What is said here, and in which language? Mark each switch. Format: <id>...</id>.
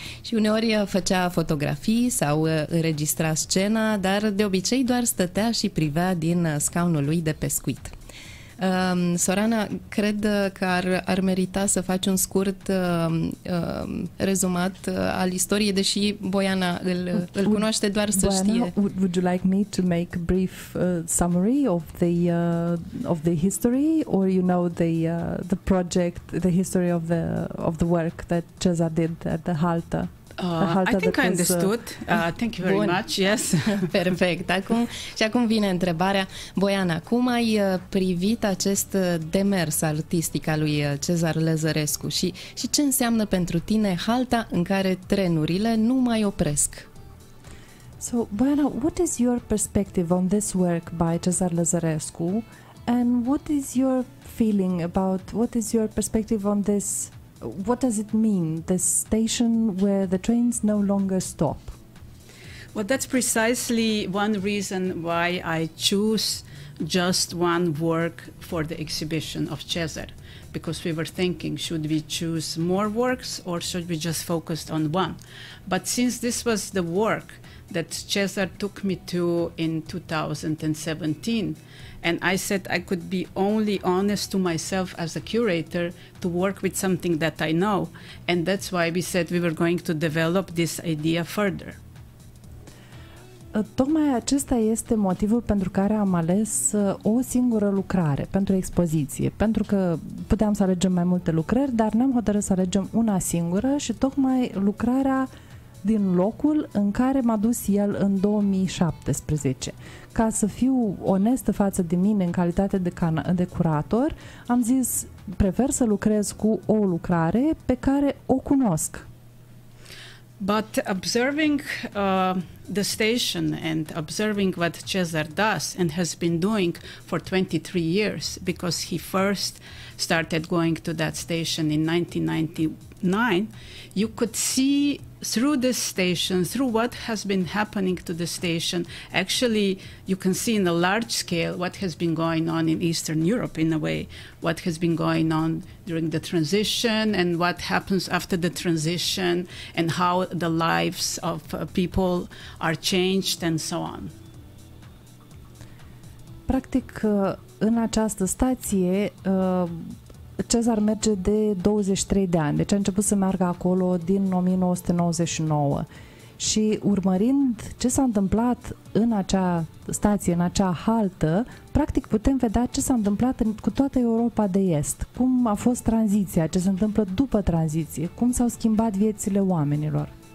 <ro>Și uneori făcea fotografii sau înregistra scena, dar de obicei doar stătea și privea din scaunul lui de pescuit. Sorana, cred că ar merita să faci un scurt rezumat al istoriei, deși Boiana îl cunoaște doar să Boiana, știe.</ro> <en>Would you like me to make a brief summary of the history, or you know the project, the history of the work that Cezar did at the Halta? I think I understood. Thank you very much. Yes.</en> <ro>Perfect. Acum vine întrebarea. Boiana, cum ai privit acest demers artistic al lui Cezar Lăzărescu și ce înseamnă pentru tine Halta, în care trenurile nu mai opresc?</ro> <en>So, Boiana, what is your perspective on this work by Cezar Lăzărescu, and what is your feeling about, what is your perspective on this? What does it mean, the station where the trains no longer stop? Well, that's precisely one reason why I choose just one work for the exhibition of Cezar, because we were thinking, should we choose more works or should we just focus on one? But since this was the work that Cezar took me to in 2017, and I said I could be only honest to myself as a curator to work with something that I know. And that's why we said we were going to develop this idea further.</en> <ro>Tocmai acesta este motivul pentru care am ales o singură lucrare pentru expoziție, pentru că puteam să alegem mai multe lucrări, dar ne-am hotărât să alegem una singură și tocmai lucrarea din locul în care m-a dus el în 2017. Ca să fiu onestă față de mine în calitate de curator, am zis, prefer să lucrez cu o lucrare pe care o cunosc.</ro> <en>But observing the station and observing what Cezar does and has been doing for 23 years, because he first started going to that station in 1999, you could see through this station, through what has been happening to the station, actually you can see in a large scale what has been going on in Eastern Europe, in a way, what has been going on during the transition and what happens after the transition and how the lives of people are changed and so on.</en> <ro>Practic, în această stație, Cezar merge de 23 de ani, deci a început să meargă acolo din 1999 și urmărind ce s-a întâmplat în acea stație, în acea haltă, practic putem vedea ce s-a întâmplat cu toată Europa de Est, cum a fost tranziția, ce se întâmplă după tranziție, cum s-au schimbat viețile oamenilor.</ro>